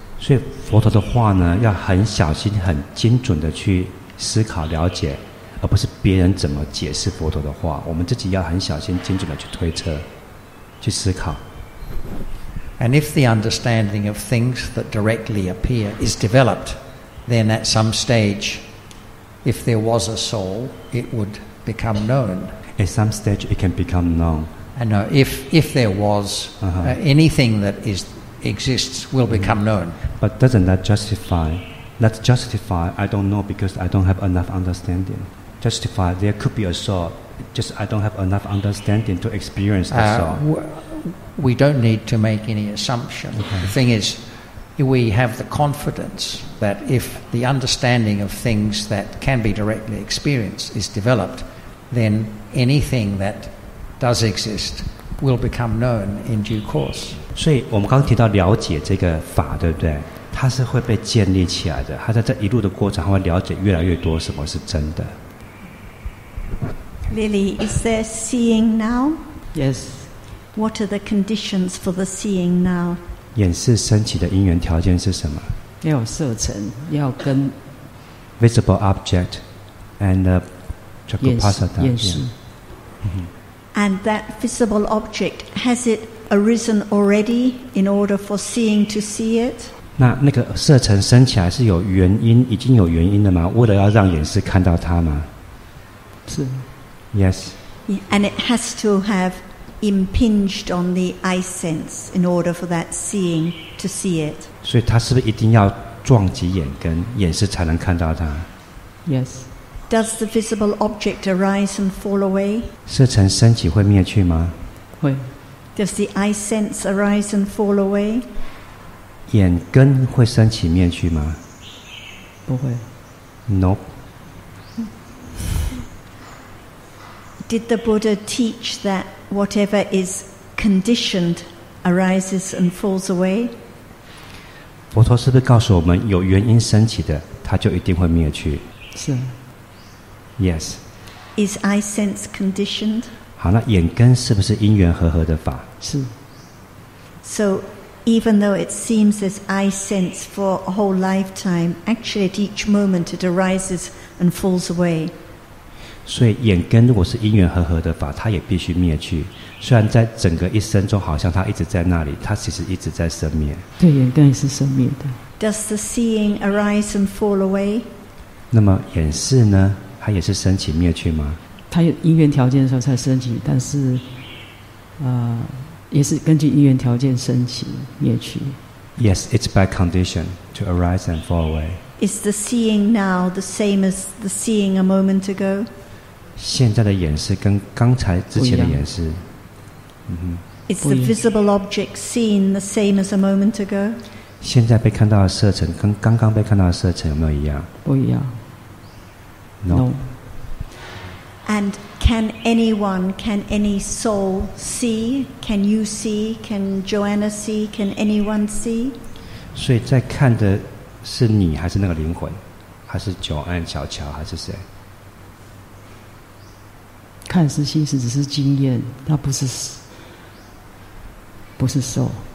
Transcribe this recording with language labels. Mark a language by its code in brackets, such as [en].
[zh] 所以佛陀的话呢，要很小心、很精准地去思考、了解。而不是别人怎么解释佛陀的话，我们自己要很小心、精准地去推测、去思考。 [en] And if the understanding of things that directly appear is developed, then at some stage, if there was a soul, it would become known. At some stage, it can become known. And no, if there was anything that is exists, will become known. But doesn't that justify? Let's justify. I don't know because I don't have enough understanding. Justify, there could be a soul, just I don't have enough understanding to experience the soul. We don't need to make any assumption. Okay. The thing is, we have the confidence that if the understanding of things that can be directly experienced is developed, then anything that does exist will become known in due course. [zh] 所以我们刚提到了解这个法，对不对？它是会被建立起来的，它在这一路的过程，它会了解越来越多什么是真的。 [en] Lily, is there seeing now? Yes. What are the conditions for the seeing now? [zh] 眼识升起的因缘条件是什么？要有色尘，要跟 [en] visible object and chakkhupassana. Yes. And that visible object, has it arisen already in order for seeing to see it? [zh] 那个色尘升起来是有原因，已经有原因的吗？为了要让眼识看到它吗？是。 [en] Yes. And it has to have impinged on the eye sense in order for that seeing to see it. [zh] 所以它是不是一定要撞击眼根，眼识才能看到它？ [en] Yes. Does the visible object arise and fall away? [zh] 色尘升起会灭去吗？会。 [en] Does the eye sense arise and fall away? [zh] 眼根会升起灭去吗？不会。 [en] Nope. Did the Buddha teach that whatever is conditioned arises and falls away? [zh] 佛陀是不是告诉我们有原因升起的，它就一定会灭去？是。 [en] Yes. Is eye sense conditioned? [zh] 好，那眼根是不是因缘和合的法？是。 [en] So, even though it seems as eye sense for a whole lifetime, actually at each moment it arises and falls away. [zh] 所以眼根如果是因缘和合的法，它也必须灭去。虽然在整个一生中，好像它一直在那里，它其实一直在生灭。对，眼根也是生灭的。 [en] Does the seeing arise and fall away? [zh] 那么眼识呢？它也是升起灭去吗？它有因缘条件的时候才升起，但是，也是根据因缘条件升起灭去。 [en] Yes, it's by condition to arise and fall away. Is the seeing now the same as the seeing a moment ago? [zh] 现在的眼识跟刚才之前的眼识， [en] Is the visible object seen the same as a moment ago? [zh] 现在被看到的色尘跟刚刚被看到的色尘有没有一样？不一样。 [en] No. And can anyone, can any soul see? Can you see? Can Joanna see? Can anyone see? [zh] 所以在看的是你还是那个灵魂？还是九岸小乔还是谁？看似心识只是经验，它不是，不是 soul。